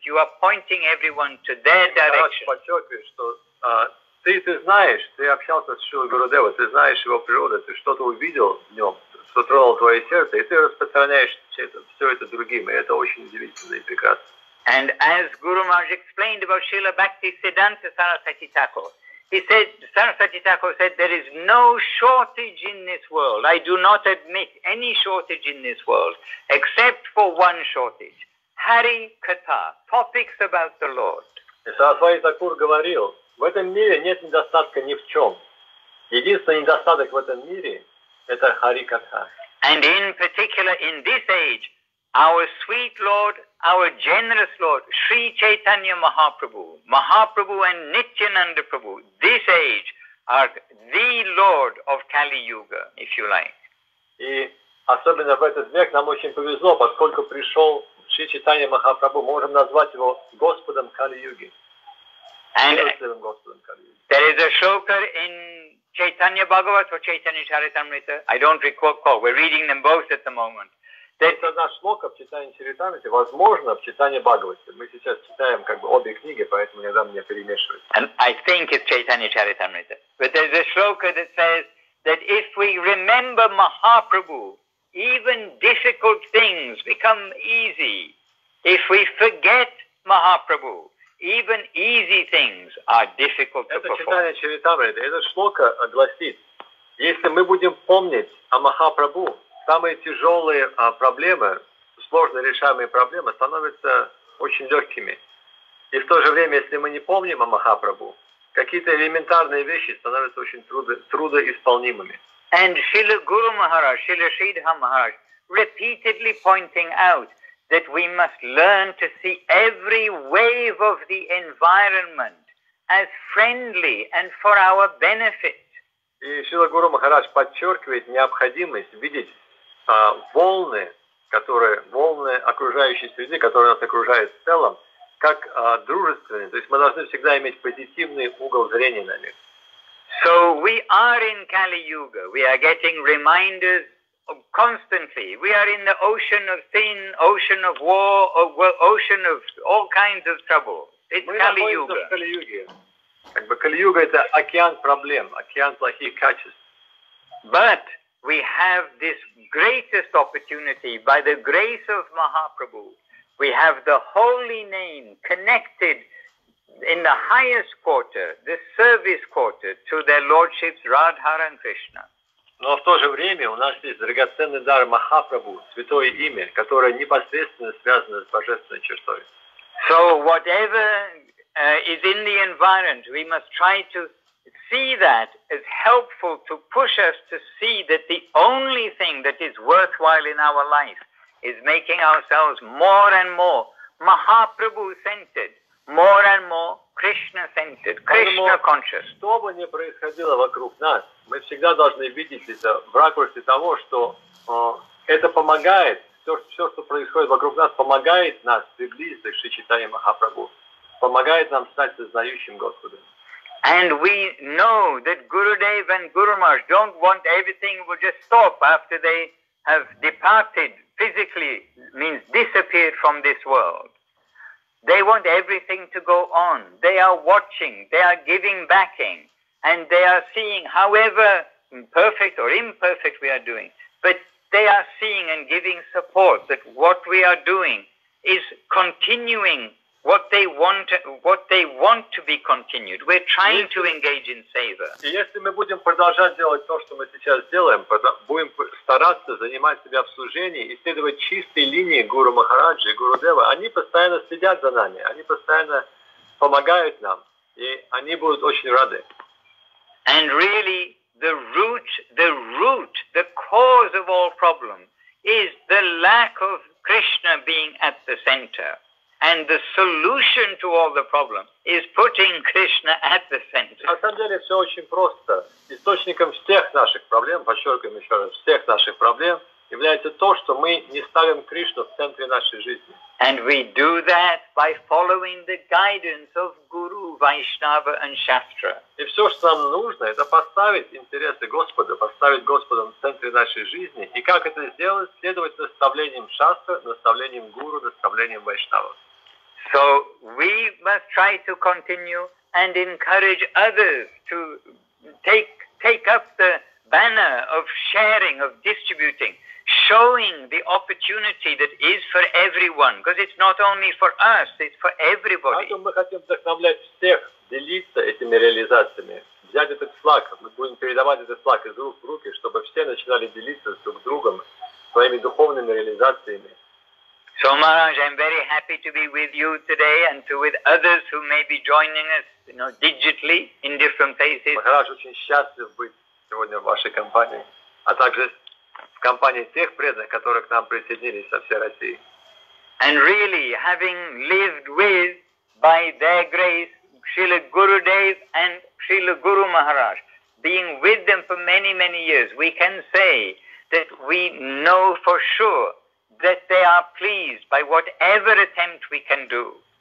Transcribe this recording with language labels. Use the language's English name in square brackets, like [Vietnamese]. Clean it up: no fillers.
[English] You are pointing everyone to their direction. [Russian] Подчеркиваю, что ты знаешь, ты общался с Шрилой Гурудева, ты знаешь его природу, ты что-то увидел в нем, что тронуло твое сердце, и ты распространяешь все это другим, и это очень удивительно и прекрасно. [English] And as Guru Maharaj explained about Srila Bhakti Siddhanta Sarasvati Thakur, he said, Sarasvati Thakur said, there is no shortage in this world. I do not admit any shortage in this world, except for one shortage. Hari Katha, topics about the Lord. [Russian] И Сарасвати Такур говорил, в этом мире нет недостатка ни в чем. Единственный недостаток в этом мире – это Хари-катха. [English] And in particular, in this age, our sweet Lord, our generous Lord, Sri Chaitanya Mahaprabhu, Mahaprabhu and Nityananda Prabhu, this age are the Lord of Kali-yuga, if you like. [Russian] И особенно в этот век нам очень повезло, поскольку пришел Шри Чайтанья Махапрабху, можем назвать его Господом Кали-юги. [English] And there is a shloka in Chaitanya Bhagavat or Chaitanya Charitamrita. I don't recall. We're reading them both at the moment. [Russian] Это наш шлока в Чайтанья Чаритамрите, возможно, в Чайтанья Бхагавате. Мы сейчас читаем как бы обе книги, поэтому иногда мне перемешивается. [English] And I think it's Chaitanya Charitamrita. But there's a shloka that says that if we remember Mahaprabhu, even difficult things become easy. If we forget Mahaprabhu, even easy things are difficult to perform. [Russian] Это читание Чаритамриты. Это шлока гласит, если мы будем помнить о Махапрабху, самые тяжелые проблемы, сложно решаемые проблемы, становятся очень легкими. И в то же время, если мы не помним о Махапрабху, какие-то элементарные вещи становятся очень трудоисполнимыми. [English] And Srila Guru Maharaj, Srila Sridhar Maharaj, repeatedly pointing out that we must learn to see every wave of the environment as friendly and for our benefit. [Russian] И Шрила Гуру Махарадж подчеркивает необходимость видеть волны окружающей среды, которая нас окружает в целом, как дружественные. То есть мы должны всегда иметь позитивный угол зрения на них. [English] So we are in Kali-yuga. We are getting reminders constantly. We are in the ocean of sin, ocean of war, ocean of all kinds of trouble. It's Kali-yuga. Kali-yuga is an ocean problem, ocean of [Russian] плохих качеств. [English] But we have this greatest opportunity by the grace of Mahaprabhu. We have the holy name connected in the highest quarter, the service quarter, to their lordships Radhara and Krishna. [Russian] Но в то же время у нас есть драгоценный дар Махапрабху, святое имя, которое непосредственно связано с божественной чертой. [English] So whatever is in the environment, we must try to see that as helpful to push us to see that the only thing that is worthwhile in our life is making ourselves more and more Махапрабху-centered, more and more Krishna-centered, Krishna-conscious. [Russian] Что бы ни происходило вокруг нас, мы всегда должны видеть это в ракурсе того, что это помогает, все, что происходит вокруг нас, помогает нас приблизиться к Шри Чайтанье Махапрабху, помогает нам стать сознающим Господом. [English] And we know that Gurudev and Guru Maharaj don't want everything will just stop after they have departed physically, means disappeared from this world. They want everything to go on. They are watching, they are giving backing, and they are seeing, however perfect or imperfect we are doing, but they are seeing and giving support that what we are doing is continuing what they want to be continued. We're trying to engage in seva. [Russian] Если мы будем продолжать делать то, что мы сейчас делаем, будем стараться занимать себя в служении, исследовать чистые линии Гуру Махараджи и Гуру Дева, они постоянно следят за нами, они постоянно помогают нам, и они будут очень рады. [English] And really, the root, the cause of all problems is the lack of Krishna being at the center. And the solution to all the problems is putting Krishna at the center. [Russian] На самом деле все очень просто. Источником всех наших проблем, подчеркиваем еще раз, всех наших проблем является то, что мы не ставим Кришну в центре нашей жизни. [English] And we do that by following the guidance of Guru, Vaishnava and Shastra. [Russian] И все, что нам нужно, это поставить интересы Господа, поставить Господа в центре нашей жизни. И как это сделать? Следовать наставлениям Шастры, наставлениям Гуру, наставлениям Вайшнава. [English] So we must try to continue and encourage others to take up the banner of sharing, of distributing, showing the opportunity that is for everyone, because it's not only for us, it's for everybody. [Russian] Поэтому мы хотим вдохновлять всех делиться этими реализациями, взять этот флаг, мы будем передавать этот флаг из рук в руки, чтобы все начинали делиться друг с другом своими духовными реализациями. [English] So Maharaj, I'm very happy to be with you today and to with others who may be joining us, you know, digitally in different places. [Russian] Махарадж очень счастлив быть сегодня в вашей компании, а также в компании тех преданных, которые к нам присоединились со всей России. [English] And really, having lived with, by their grace, Srila Gurudev and Srila Guru Maharaj, being with them for many, many years, we can say that we know for sure that they are pleased by whatever attempt we can do.